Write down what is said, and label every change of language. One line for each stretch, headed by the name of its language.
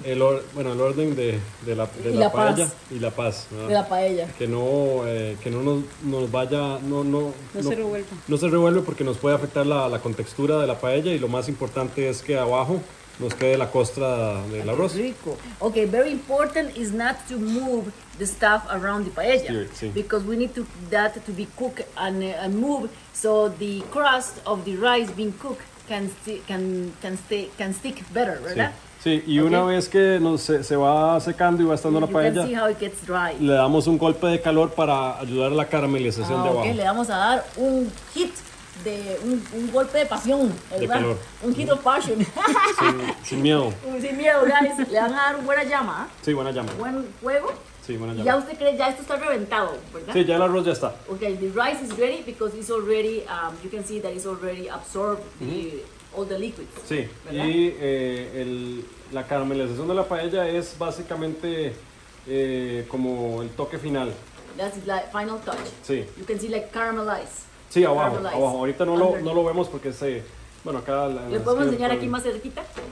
Spanish: El orden de la paella. Y la paz. ¿Verdad? De la paella. Que no nos vaya... No se revuelva. No se revuelve porque nos puede afectar la contextura de la paella y lo más importante es que abajo nos quede la costra del arroz. Rico.
English: Okay, very important is not to move the stuff around the paella.
Spanish: Sí.
English: Because we need to, that to be cooked and move so the crust of the rice being cooked can stick better, ¿verdad?
Spanish: Sí. Sí, y una vez que se va secando y va estando la paella, le damos un golpe de calor para ayudar a la caramelización de abajo. Le vamos a dar un hit, de un golpe de pasión, ¿verdad? De calor.
English: Un hit of passion.
Spanish: Sin miedo. Sin miedo, guys. Le van a dar buena llama. Sí, buena llama. Buen fuego. Sí, buena llama. Y ya usted cree, ya esto está reventado, ¿verdad? Sí, ya el arroz ya está.
English: Ok, the rice is ready because it's already, you can see that it's already absorbed the... Mm-hmm. All the liquids,
Spanish: sí, ¿verdad? Y la caramelización de la paella es básicamente como el toque final.
English: That's the final touch.
Spanish: Sí.
English: You can see like caramelized.
Spanish: Sí, abajo. Ahorita no lo vemos porque se... Bueno, acá... ¿Le podemos enseñar aquí más cerquita?